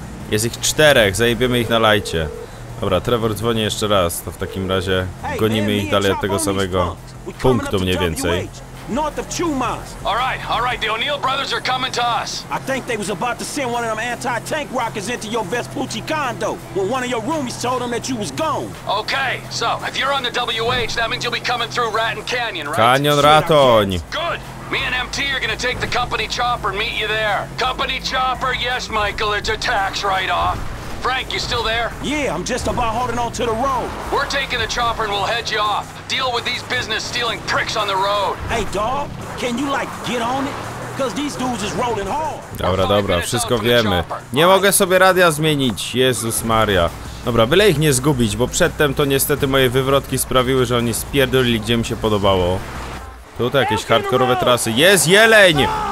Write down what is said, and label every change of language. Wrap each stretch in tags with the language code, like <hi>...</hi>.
<pl>Jest ich 4, zajebiemy ich na lajcie. Dobra, Trevor dzwoni jeszcze raz. To w takim razie gonimy ich dalej od tego samego punktu mniej więcej.</pl> <en>North of 2 miles. All right, the O'Neill brothers are coming to us. I think they was about to send one of them anti-tank rockets into your Vespucci condo. But one of your roomies told them that you was gone. Okay, so if you're on the WH, that means you'll be coming through Raton Canyon, right? Canyon Raton. Good. Me and MT are gonna take the company chopper and meet you there. Company chopper? Yes, Michael, it's a tax write-off. Frank, you still there? Yeah, I'm just about holding on to the road. We're taking the chopper and we'll head you off. Deal with these business stealing pricks on the road. Hey, dog, can you like get on it? Cause these dudes is rolling hard.</en> <pl>Dobra, wszystko wiemy. Nie mogę sobie radia zmienić, Jezus Maria. Dobra, byle ich nie zgubić, bo przedtem to niestety moje wywrotki sprawiły, że oni spierdolili, gdzie mi się podobało. Tutaj jakieś hardkorowe trasy. Jest jeleń!</pl>